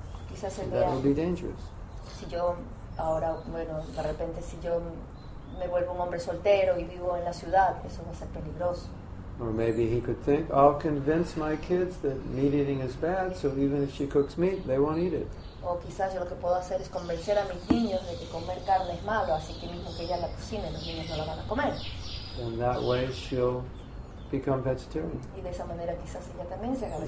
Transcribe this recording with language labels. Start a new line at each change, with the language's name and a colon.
Spanish: quizás él
English: that
Spanish: vea,
English: will be dangerous.
Spanish: Si yo ahora, bueno, de repente si yo me vuelvo un hombre soltero y vivo en la ciudad, eso va a ser peligroso.
English: Or maybe he could think, I'll convince my kids that meat eating is bad, so even if she cooks meat, they won't eat it.
Spanish: O quizás yo lo que puedo hacer es convencer a mis niños de que comer carne es malo, así que mismo que ella la cocine, los niños no la van a comer.
English: And that way she'll become vegetarian.
Spanish: Y de esa manera quizás ella también se haga vegetariana.